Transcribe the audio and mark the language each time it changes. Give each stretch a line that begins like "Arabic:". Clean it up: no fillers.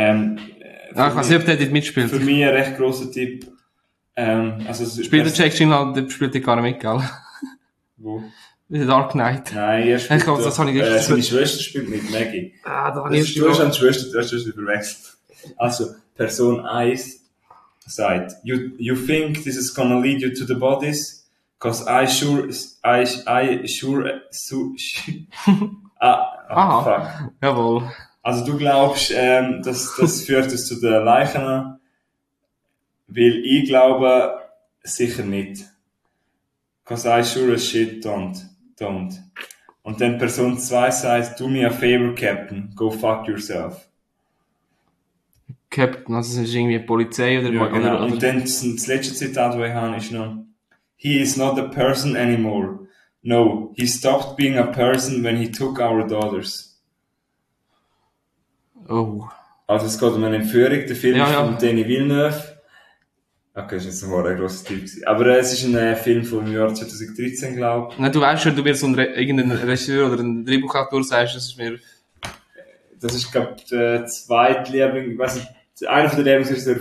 German: weiß nicht, ob der mitspielt. Für mich ein recht grosser Tipp. Also spielt der Jake Gyllenhaal, der spielt gar nicht mit, gell? Wo? The Dark Knight. Nein, er spielt doch. Seine Schwester spielt mit, Maggie. Ah, da war ich. Du hast eine Schwester, du hast es überwechselt. Also, Person 1 sagt,
English: you think this is gonna lead you to the bodies? Cause I sure, fuck.
German: Jawohl. Also du glaubst, das führt es zu den Leichen, weil ich glaube, sicher nicht.
English: Cause I sure as shit don't.
German: Und dann Person 2 sagt,
English: do me a favor, Captain, go fuck yourself.
German: Captain, also ist irgendwie Polizei oder... Ja, genau. Oder. Und dann das letzte Zitat, das ich habe, ist noch...
English: He is not a person anymore. No, he stopped being a person when he took our daughters. Oh.
German: Also es geht um eine Entführung, der Film ist von Denis Villeneuve. Okay, das war jetzt ein sehr grosser Typ. Aber es ist ein Film vom Jahr 2013, glaube ich. Nein, du weißt schon, du wirst so irgendein Regisseur oder ein Drehbuchautor sagst, das ist mir... Das ist, glaube ich, der zweite Liebling, weiß ich, einer von den Lieblingsregisseuren